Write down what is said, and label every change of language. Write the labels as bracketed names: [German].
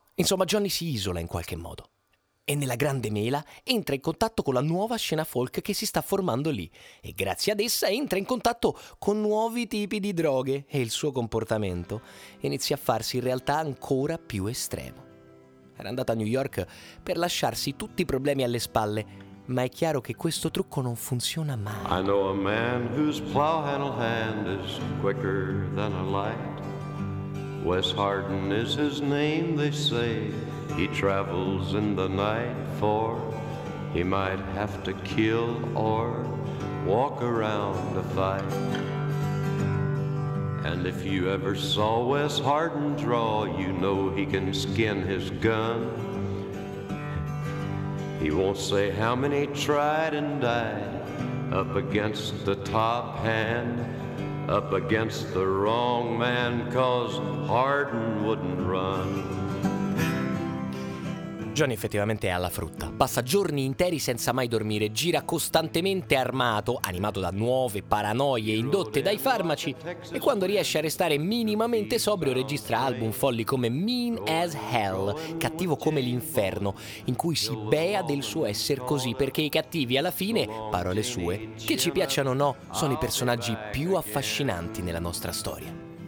[Italian] Insomma, Johnny si isola in qualche modo. E nella grande mela entra in contatto con la nuova scena folk che si sta formando lì, e grazie ad essa entra in contatto con nuovi tipi di droghe, e il suo comportamento inizia a farsi in realtà ancora più estremo. Era andata a New York per lasciarsi tutti i problemi alle spalle, ma è chiaro che questo trucco non funziona mai. [English] I know a man whose plow handle hand is quicker than a light. Wes Harden is his name, they say. He travels in the night, for he might have to kill or walk around to fight. And if you ever saw Wes Harden draw, you know he can skin his gun. He won't say how many tried and died up against the top hand, up against the wrong man, 'cause Harden wouldn't run. [Italian] Johnny effettivamente è alla frutta. Passa giorni interi senza mai dormire, gira costantemente armato, animato da nuove paranoie indotte dai farmaci, e quando riesce a restare minimamente sobrio registra album folli come Mean as Hell, Cattivo come l'inferno, in cui si bea del suo essere così, perché i cattivi alla fine, parole sue, che ci piacciono o no, sono i personaggi più affascinanti nella nostra storia.